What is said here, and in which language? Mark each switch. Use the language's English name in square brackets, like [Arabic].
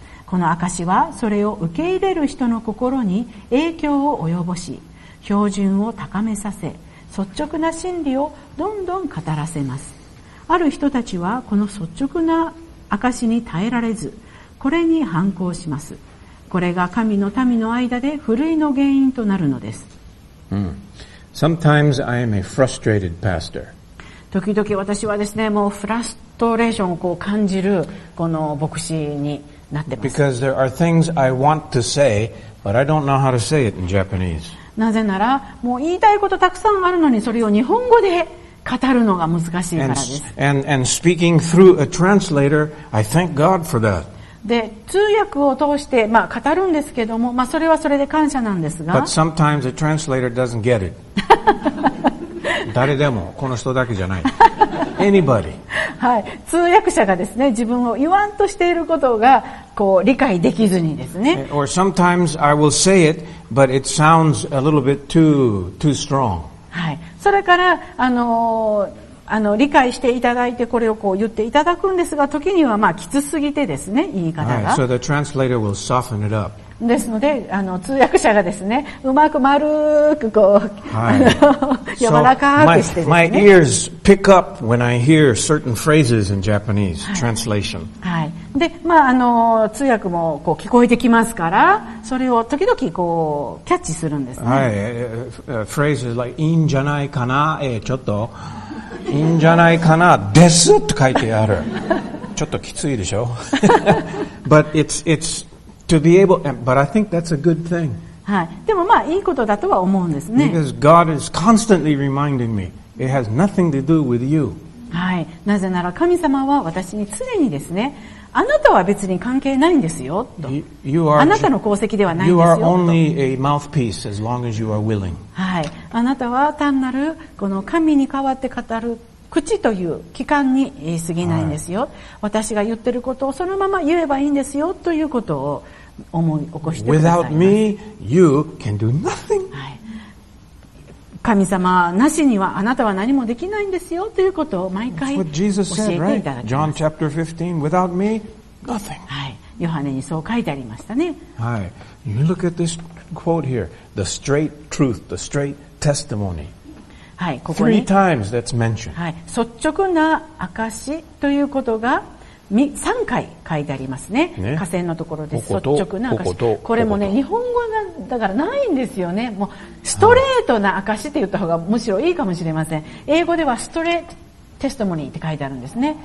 [Japanese] この証はそれを受け入れる人の心に影響を及ぼし、標準を高めさせ、率直な真理をどんどん語らせます。ある人たちはこの率直な証に耐えられず、これに反抗します。これが神の民の間で古いの原因となるのです。 Mm. [English] Sometimes I am a frustrated pastor. [Japanese] 時々私はですね、もうフラストレーションをこう感じるこの牧師に、 [English] Because there are things I want to say, but I don't know how to say it in Japanese. [Japanese] なぜなら、もう言いたいことたくさんあるのに、それを日本語で語るのが難しいからです。 [English] And speaking through a translator, I thank God for that. [Japanese] で、通訳を通して、まあ、語るんですけども、まあ、それはそれで感謝なんですが。 [English] But sometimes a translator doesn't get it. [Japanese] 誰でも、この人だけじゃない。 [English] Anybody. [Japanese] はい、通訳者がですね、自分を言わんとしていることがこう理解できずにですね。 [English] Or sometimes I will say it, but it sounds a little bit too strong. [Japanese] はい、それから理解していただいてこれをこう言っていただくんですが、時にはまあきつすぎてですね、言い方が。 [English] Right. So the translator will soften it up. [Japanese] ですので通訳者がですね、うまく丸くこう、はい、柔らかくしてですね。 [English] My ears pick up when I hear certain phrases in Japanese translation. [Japanese] はい。で、まあ通訳もこう聞こえてきますから、それを時々こうキャッチするんですね。はい。 [English] Phrases like [Japanese] いいんじゃないかな、ちょっといいんじゃないかなですと書いてある。ちょっときついでしょ。 [English] But it's To be able, but I think that's a good thing. [Japanese] はい。でもまあいいことだとは思うんですね。 [English] Because God is constantly reminding me, it has nothing to do with you. [Japanese] はい。なぜなら神様は私に常にですね、あなたは別に関係ないんですよと。あなたの功績ではないんですよ。 [English] You are only a mouthpiece as long as you are willing. [Japanese] はい。あなたは単なるこの神に代わって語る口という器官に過ぎないんですよ、はい、私が言ってることをそのまま言えばいいんですよということを思い起こしてください。 [English] Without me, you can do nothing.、 [Japanese] はい、神様なしにはあなたは何もできないんですよということを毎回教えていただきます。 [English] That's what Jesus said, right? John chapter 15, without me, nothing.、 [Japanese] はい、ヨハネにそう書いてありましたね。はい。 [English] You look at this quote here. The straight truth, the straight testimony. [Japanese] はい、ここ [English] Three times that's mentioned. [Japanese] はい、率直な証ということが3回書いてありますね。ね、下線のところです。ここと率直な証。これもね、ここ日本語がだからないんですよね。もうストレートな証って言った方がむしろいいかもしれません。はい、英語ではストレートテストモニーって書いてあるんですね。